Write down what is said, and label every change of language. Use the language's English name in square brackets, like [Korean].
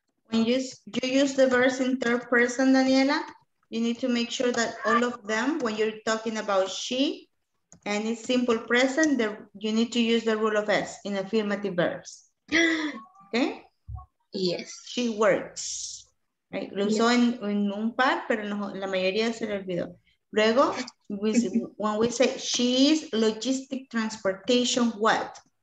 [English] When you use the verse in third person, Daniela, you need to make sure that all of them, when you're talking about she and it's simple present, the, you need to use the rule of S in affirmative verbs. Okay? Yes. She works. Right? [Spanish] Lo usó en un par, pero no, la mayoría se le olvidó. [English] Luego, when we say she is logistic transportation, what?